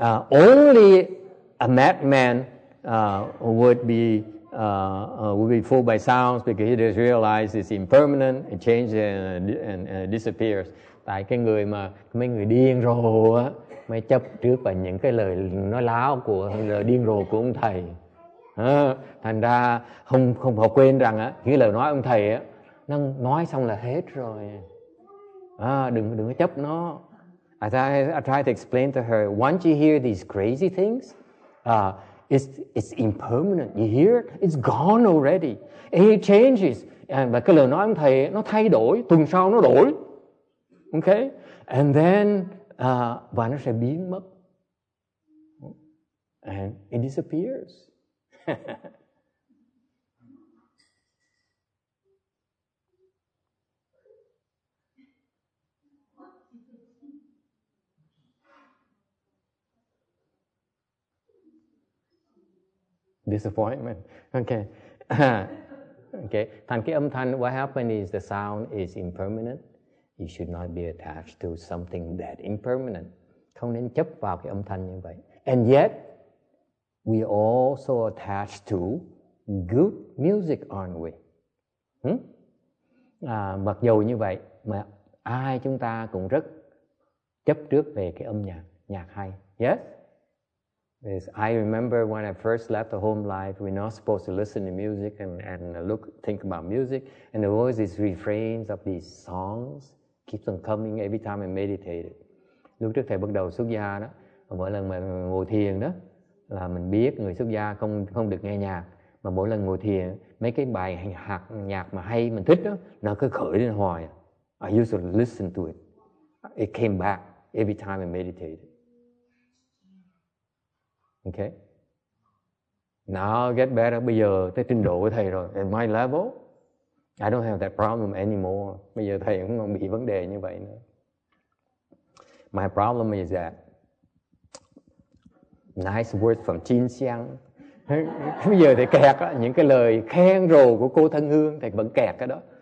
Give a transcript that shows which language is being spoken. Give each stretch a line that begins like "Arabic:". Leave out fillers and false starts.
English: Only a madman would be fooled by sounds because he just realized it's impermanent, it changes and disappears.
Vietnamese: Tại cái người mà mấy người điên rồ á mới chấp trước vào những cái lời nói láo của lời điên rồ của ông thầy. Thành ra không họ quên rằng á những lời nói ông thầy á nó nói xong là hết rồi. Đừng chấp nó.
English: I try to explain to her, once you hear these crazy things, it's impermanent. You hear it, it's gone already. And it changes.
Vietnamese: Và cái lời nói ông thầy nó thay đổi, tuần sau nó đổi. Okay?
English: And then,
Vietnamese: và nó sẽ biến mất.
English: And it disappears. Disappointment. Okay. Okay.
Vietnamese: Thành cái âm thanh,
English: what happened is the sound is impermanent. You should not be attached to something that impermanent.
Vietnamese: Không nên chấp vào cái âm thanh như vậy.
English: And yet, we are also attached to good music, aren't we?
Vietnamese: Mặc dù như vậy, mà ai chúng ta cũng rất chấp trước về cái âm nhạc, nhạc hay.
English: Yes? Is I remember when I first left the home life, we're not supposed to listen to music and think about music. And there was these refrains of these songs keeps on coming every time I meditated.
Vietnamese: Lúc trước thầy bắt đầu xuất gia đó, mỗi lần mà ngồi thiền đó, là mình biết người xuất gia không được nghe nhạc. Mà mỗi lần ngồi thiền, mấy cái bài nhạc mà hay mình thích đó, nó cứ khởi lên hoài.
English: I used to listen to it. It came back every time I meditated. Okay. Now I get better.
Vietnamese: Bây giờ tới trình độ của thầy rồi.
English: At my level, I don't have that problem anymore.
Vietnamese: Bây giờ thầy cũng không bị vấn đề như vậy nữa.
English: My problem is that nice words from Chin Xiang.
Vietnamese: Bây giờ thầy kẹt á, những cái lời khen rồ của cô Thân Hương, thầy vẫn kẹt cái đó.